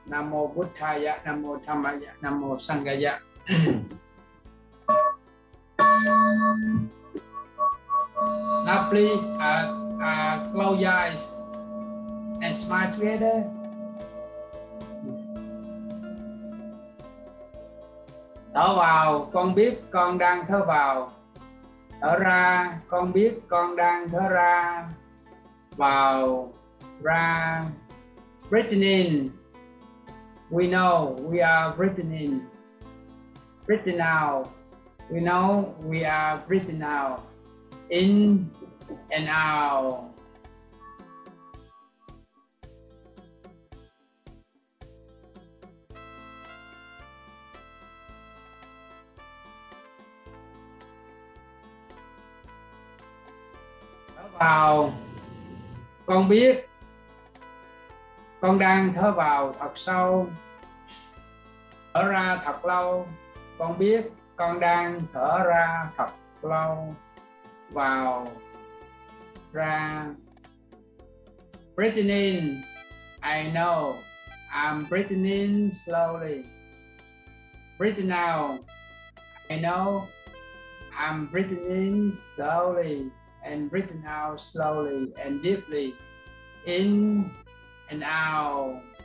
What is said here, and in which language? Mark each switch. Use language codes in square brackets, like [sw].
[pi] Namo Buddhaya, Namo Dhammaya, Namo Sanghaya. [en] Now please close your eyes and smile together. [vi] Thở vào, con biết con đang thở vào. Thở ra, con biết con đang thở ra. Vào, ra. [en] Breathing in. We know we are breathing in. Breathing out. We know we are breathing out. In and out. [vi] Vào, con biết con đang thở vào thật sâu, thở ra thật lâu, con biết con đang thở ra thật lâu, vào, ra. [en] Breathing in, I know I'm breathing in slowly. Breathing out, I know I'm breathing in slowly. And breathing out slowly and deeply, in and out.